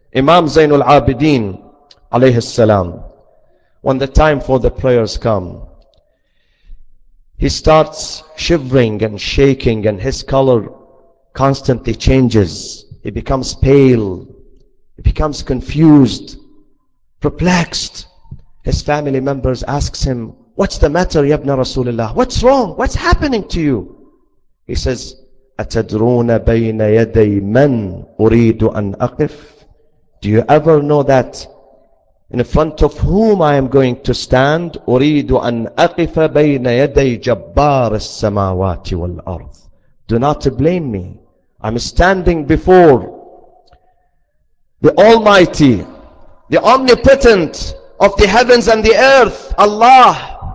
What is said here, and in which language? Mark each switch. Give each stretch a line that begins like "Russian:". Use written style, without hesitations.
English: Imam Zainul Abideen, alayhi salam, when the time for the prayers come, he starts shivering and shaking and his color constantly changes. He becomes pale. He becomes confused, perplexed. His family members ask him, what's the matter,
Arabic: Ya Ibn Rasulullah?
English: What's wrong? What's happening to you? He says,
Arabic: أَتَدْرُونَ بَيْنَ يَدَيْ مَنْ أُرِيدُ أَنْ أَقِفْ.
English: Do you ever know that in front of whom I am going to stand?
Arabic: أُرِيدُ أَنْ أَقِفَ بَيْنَ يَدَيْ جَبَّارِ السَّمَاوَاتِ وَالْأَرْضِ.
English: Do not blame me. I'm standing before the Almighty, the Omnipotent of the heavens and the earth, Allah.